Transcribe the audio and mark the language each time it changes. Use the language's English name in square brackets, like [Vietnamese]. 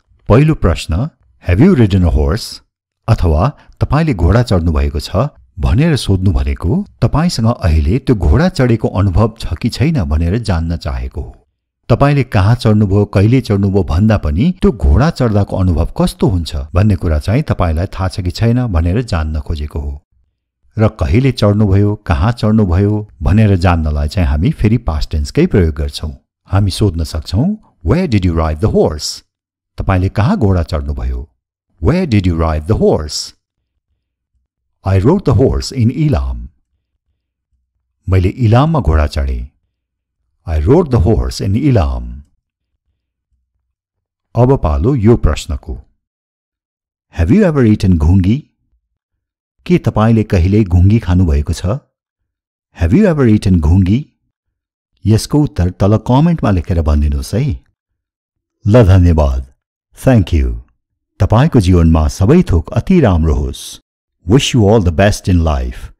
[Nepali] पहिलो प्रश्न [English] Have you ridden a horse? [Nepali] अथवा तपाईँले घोडा चढ्नुभएको छ भनेर सोध्नु भनेको तपाईँसँग अहिले त्यो घोडा चढेको अनुभव छ कि छैन भनेर जान्न चाहेको हो। तपाईँले कहाँ चढ्नुभयो, कहिले चढ्नुभयो भन्दा पनि त्यो घोडा चढ्दाको अनुभव कस्तो हुन्छ भन्ने कुरा चाहिँ तपाईँलाई थाहा छ कि छैन भनेर जान्न खोजेको हो। र कहिले चढ्नुभयो, कहाँ चढ्नुभयो भनेर जान्नलाई चाहिँ हामी फेरि पास्ट टेन्सकै प्रयोग गर्छौँ। हामी सोध्न सक्छौँ [English] Where did you ride the horse? [Nepali] तपाईँले कहाँ घोडा चढ्नुभयो? [English] Where did you ride the horse? I rode the horse in Ilam. [Nepali] मैले इलाममा घोडा चढेँ। [English] I rode the horse in Ilam. [Nepali] अब पालो यो प्रश्नको। [English] Have you ever eaten घुङ्गी? [Nepali] के तपाईँले कहिल्यै घुङ्गी खानुभएको छ? [English] Have you ever eaten [Nepali] घुङ्गी? यसको उत्तर तल कमेन्टमा लेखेर भनिदिनुहोस् है। ल धन्यवाद, [English] Thank you. [Nepali] तपाईँको जीवनमा सबै थोक अति राम्रो होस्। [English] Wish you all the best in life.